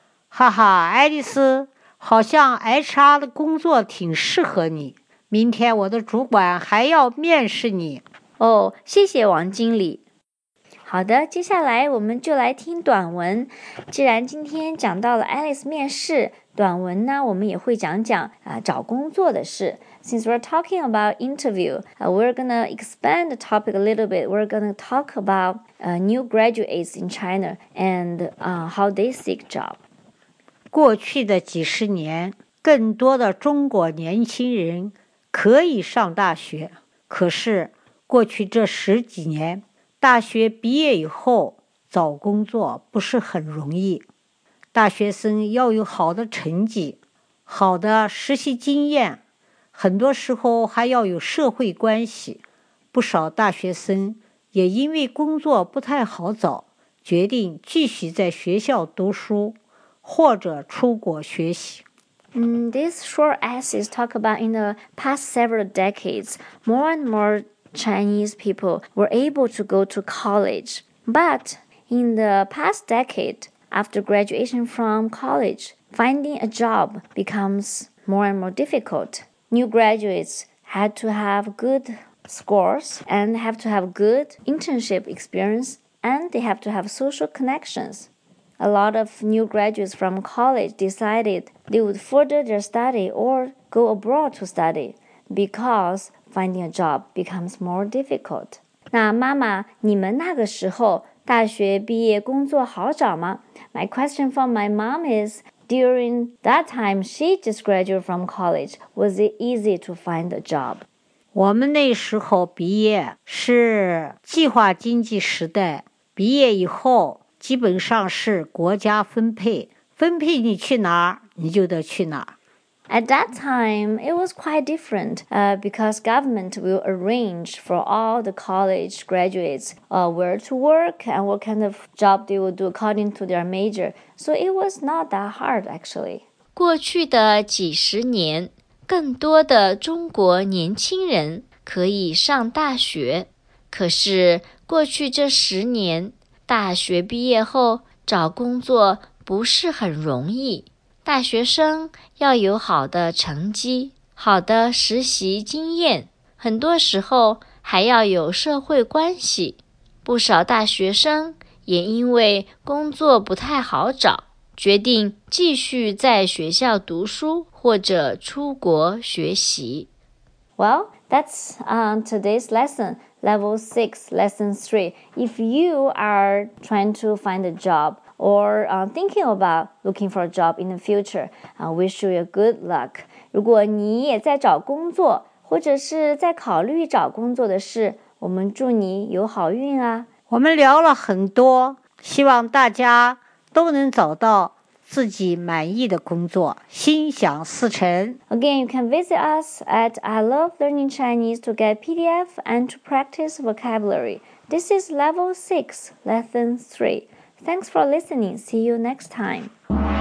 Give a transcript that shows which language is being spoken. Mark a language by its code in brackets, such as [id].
[zh] 哈哈，爱丽丝，好像 HR 的工作挺适合你。明天我的主管还要面试你。哦，谢谢王经理。好的，接下来我们就来听短文。既然今天讲到了 Alice 面试，短文呢，我们也会讲讲找工作的事。 [en] Since we're talking about interview, we're going to expand the topic a little bit. We're going to talk about new graduates in China and how they seek job. [zh] 过去的几十年，更多的中国年轻人可以上大学。可是过去这十几年，大学毕业以后找工作不是很容易。大学生要有好的成绩，好的实习经验，很多时候还要有社会关系，不少大学生也因为工作不太好找，决定继续在学校读书，或者出国学习。 [en] This short essay is talk about in the past several decades, more and more Chinese people were able to go to college. But in the past decade, after graduation from college, finding a job becomes more and more difficult. New graduates had to have good scores and have to have good internship experience, and they have to have social connections. A lot of new graduates from college decided they would further their study or go abroad to study because finding a job becomes more difficult. [zh] 那妈妈，你们那个时候大学毕业工作好找吗？ [en] My question for my mom is, during that time, she just graduated from college. Was it easy to find a job? [zh] 我们那时候毕业是计划经济时代，毕业以后基本上是国家分配，分配你去哪儿，你就得去哪儿。 [en] At that time, it was quite different, because government will arrange for all the college graduates, where to work and what kind of job they will do according to their major. So it was not that hard, actually. [zh] 过去的几十年，更多的中国年轻人可以上大学。可是过去这十年，大学毕业后找工作不是很容易。大学生要有好的成绩，好的实习经验，很多时候还要有社会关系。不少大学生也因为工作不太好找，决定继续在学校读书或者出国学习。 [en] Well, that's today's lesson, level 6, lesson 3. If you are trying to find a job,or thinking about looking for a job in the future, I wish you a good luck. [zh] 如果你也在找工作，或者是在考虑找工作的事，我们祝你有好运啊。我们聊了很多，希望大家都能找到自己满意的工作，心想事成。 [en] Again, you can visit us at I Love Learning Chinese to get PDF and to practice vocabulary. This is Level 6, Lesson 3. Thanks for listening. See you next time.